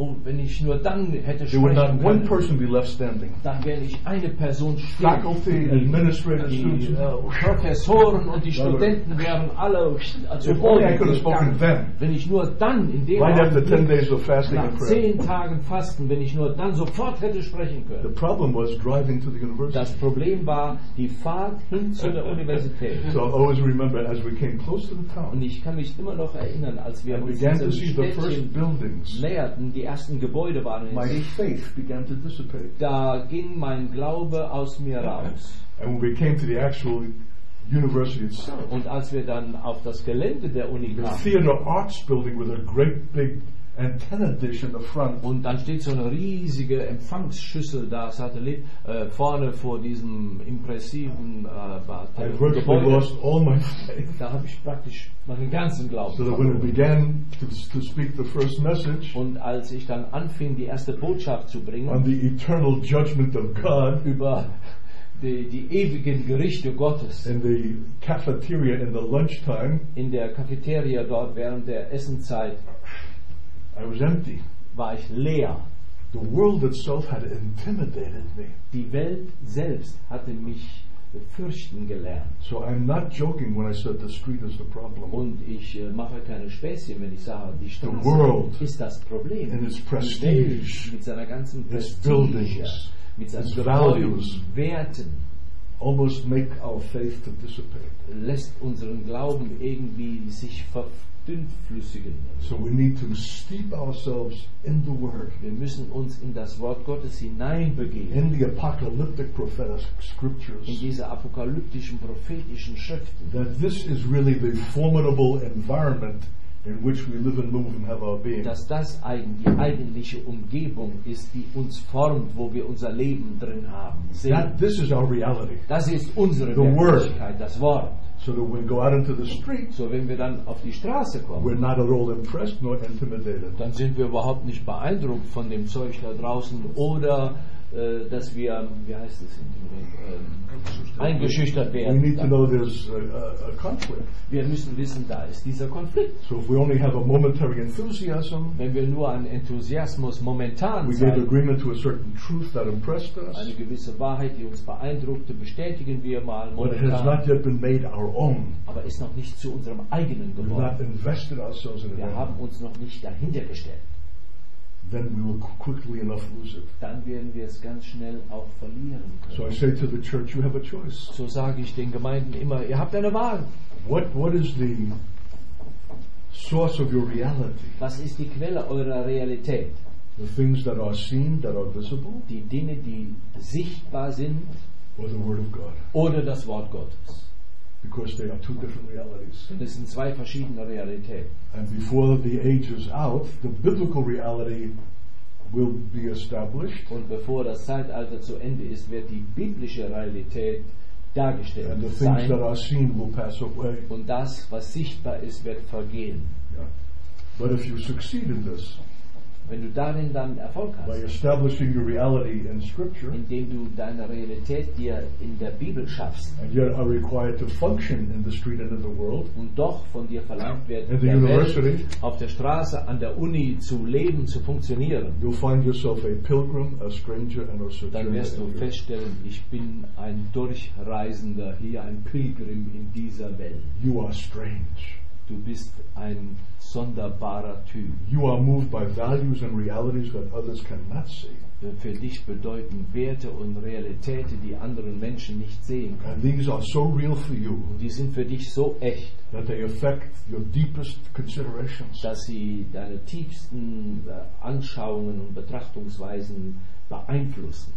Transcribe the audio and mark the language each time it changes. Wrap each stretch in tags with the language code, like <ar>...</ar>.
<de>wenn ich nur dann hätte sprechen können,</de> <en>there would not one person be left standing.</en> <de>Dann wäre ich eine Person stehen.</de> <en>Faculty, administrators, students.</en> <de>Professoren und die Studenten wären alle.</de> <en>If only I could have spoken then.</en> <de>Wenn ich nur dann in dem</de> <en>Moment. Right after 10 days of fasting and prayer.</en> <de>Nach 10 Tagen Fasten, wenn ich nur dann sofort hätte sprechen können.</de> <en>The problem was driving to the university.</en> <de>Das Problem war die Fahrt hin zu der Universität.</de> <en>So I always remember as we came close to the town.</en> <de>Und ich kann mich immer noch erinnern, als wir uns diesem Städtchen näherten, die ersten Gebäude waren in</de> <en>Sicht. My faith began to dissipate.</en> <de>Da ging mein Glaube aus mir raus.</de> <en>And when we came to the actual university itself.</en> <de>Und als wir dann auf das Gelände der Uni kamen.</de> <en>The theater arts building with a great big antenna dish in the front.</en> <de>Und dann steht so eine riesige Empfangsschüssel da, Satellit, vorne vor diesem impressiven</de> <en>Gebäude. I virtually lost all my faith.</en> <de>Da habe ich praktisch meinen ganzen Glauben.</de> <en>So that when it began to speak the first message,</en> <de>und als ich dann anfing, die erste Botschaft zu bringen,</de> <en>on the eternal judgment of God,</en> <de>über die ewigen Gerichte Gottes</de> <en>in the cafeteria in the lunchtime,</en> <de>in der Cafeteria dort während der Essenszeit,</de> <en>I was empty.</en> <de>War ich leer.</de> <en>The world itself had intimidated me.</en> <de>Die Welt selbst hatte mich fürchten gelernt.</de> <en>So I'm not joking when I said the street is the problem.</en> <de>Und ich mache keine Späßchen, wenn ich sage, die Straße</de> <en>the world</en> <de>ist das Problem.</de> <en>And its prestige,</en> <de>mit seiner ganzen</de> <en>its buildings,</en> <de>mit seinen</de> <en>its values,</en> <de>Werten,</de> <en>almost make our faith to dissipate.</en> <de>Lässt unseren Glauben irgendwie sich dünnflüssigen.</de> <en>So we need to steep ourselves in the word.</en> <de>Wir müssen uns in das Wort Gottes hineinbegeben.</de> <en>In the apocalyptic prophetic scriptures.</en> <de>In diese apokalyptischen prophetischen Schriften.</de> <en>That this is really the formidable environment in which we live and move and have our being.</en> <de>Dass das eigentliche Umgebung ist, die uns formt, wo wir unser Leben drin haben.</de> <en>That this is our reality.</en> <de>Das ist unsere Wirklichkeit, das Wort.</de> <en>So that when we go out into the street,</en> <de>so wenn wir dann auf die Straße kommen,</de> <en>we're not at all impressed nor intimidated.</en> <de>Dann sind wir überhaupt nicht beeindruckt von dem Zeug da draußen oder dass wir, wie heißt es in dem Reden, eingeschüchtert werden.</de> <en>We need to know there's a conflict.</en> <de>Wir müssen wissen, da ist dieser Konflikt.</de> <en>So if we only have a momentary enthusiasm,</en> <de>wenn wir nur einen Enthusiasmus momentan</de> <en>we</en> <de>zeigen,</de> <en>gave agreement to a certain truth that impressed us,</en> <de>eine gewisse Wahrheit, die uns beeindruckte, bestätigen wir mal momentan,</de> <en>but it has not yet been made our own.</en> <de>Aber ist noch nicht zu unserem eigenen geworden.</de> <en>We've not invested ourselves in</en> <de>wir haben uns noch nicht dahinter gestellt.</de> <en>Then we will quickly enough lose it.</en> <de>Dann werden wir es ganz schnell auch verlieren können.</de> <en>So I say to the church, you have a choice.</en> <de>So sage ich den Gemeinden immer, ihr habt eine Wahl.</de> <en>What is the source of your reality?</en> <de>Was ist die Quelle eurer Realität?</de> <en>The things that are seen, that are visible?</en> <de>Die Dinge, die sichtbar sind?</de> <en>Or the Word of God?</en> <de>Oder das Wort Gottes?</de> <en>Because they are two different realities.</en> <de>Es sind zwei verschiedene Realitäten.</de> <en>And before the age is out, the biblical reality will be established.</en> <de>Und bevor das Zeitalter zu Ende ist, wird die biblische Realität dargestellt</de> <en>and the</en> <de>sein.</de> <en>Things that are seen will pass away.</en> <de>Und das, was sichtbar ist, wird vergehen.</de> <en>Yeah. But if you succeed in this,</en> <de>wenn du darin dann Erfolg hast,</de> <en>by establishing your reality in Scripture,</en> <de>indem du deine Realität dir in der Bibel schaffst,</de> <en>and yet are required to function in the street and in the world,</en> <de>und doch von dir verlangt wird,</de> <en>in the university,</en> <de>Welt, auf der Straße, an der Uni zu leben, zu funktionieren,</de> <en>you'll find yourself a pilgrim, a stranger, and a sojourner.</en> <de>Dann wirst du feststellen, ich bin ein Durchreisender hier, ein Pilgrim in dieser Welt.</de> <en>You are strange.</en> <de>Du bist ein sonderbarer Typ.</de> <en>You are moved by values and realities that others cannot see.</en> <de>Für dich bedeuten Werte und Realitäten, die anderen Menschen nicht sehen können.</de> <en>And these are so real for you.</en> <de>Die sind für dich so echt.</de> <en>That they affect your deepest considerations.</en> <de>Dass sie deine tiefsten Anschauungen und Betrachtungsweisen beeinflussen.</de>